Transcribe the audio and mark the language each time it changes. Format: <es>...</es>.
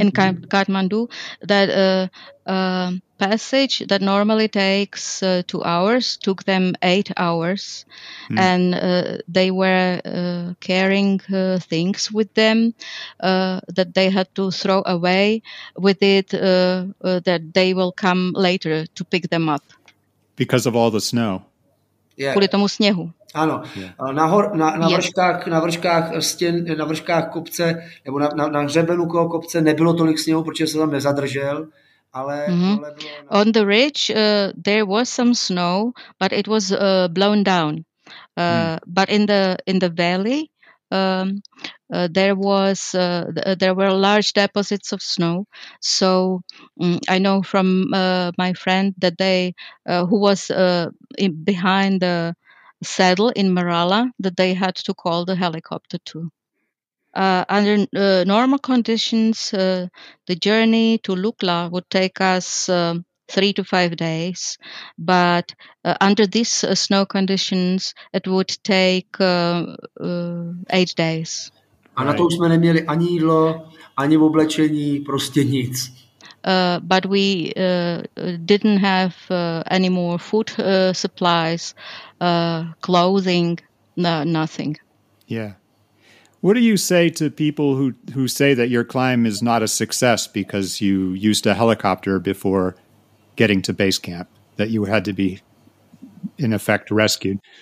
<en>In Kathmandu, that passage that normally takes 2 hours took them 8 hours, mm-hmm. and they were carrying things with them that they had to throw away with it that they will come later to pick them up. Because of all the snow.</en> <cs>Yeah. Kvůli tomu sněhu. Ano, na vrškách kopce nebo na hřebenu toho kopce nebylo tolik sněhu, protože se tam nezadržel.</cs> <en>On the ridge, there was some snow, but it was blown down. But in the valley, there were large deposits of snow. So I know from my friend that they, who was behind the saddle in Marala, that they had to call the helicopter too. Under normal conditions, the journey to Lukla would take us 3 to 5 days, but under these snow conditions, it would take 8 days.</en> <cs>A na to už jsme neměli ani jídlo, ani oblečení, prostě nic.</cs> <en>But we didn't have any more food supplies, clothing, nothing. Yeah. What do you say to people who say that your climb is not a success because you used a helicopter before getting to base camp, that you had to be, in effect, rescued?</en>